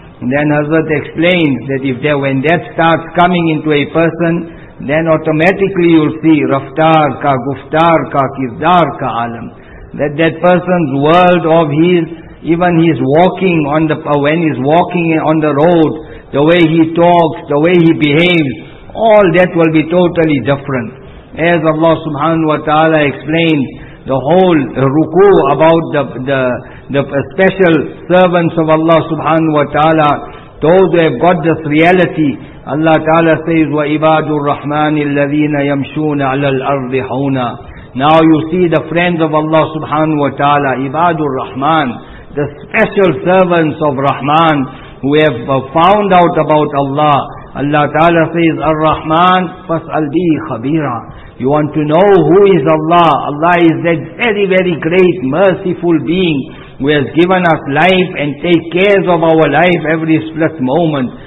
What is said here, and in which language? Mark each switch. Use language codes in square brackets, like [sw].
[en] And then Hazrat explains that if there, when that starts coming into a person, then automatically you'll see [ur] raftar ka, guftar ka, kirdar ka alam, [en] that that person's world of his, even his walking on the, when he's walking on the road, the way he talks, the way he behaves, all that will be totally different. As Allah subhanahu wa ta'ala explained the whole ruku about the special servants of Allah subhanahu wa ta'ala, those who have got this reality. Allah ta'ala says, [ar] وَإِبَادُ الرَّحْمَنِ الَّذِينَ يَمْشُونَ عَلَى الْأَرْضِ حَوْنًا. [en] Now you see the friends of Allah subhanahu wa ta'ala, Ibadur Rahman, the special servants of Rahman who have found out about Allah. [ar] Allah ta'ala says, Ar-Rahman, fas'al bi khabira. [en] You want to know who is Allah? Allah is that very, very great, merciful being who has given us life and take care of our life every split moment.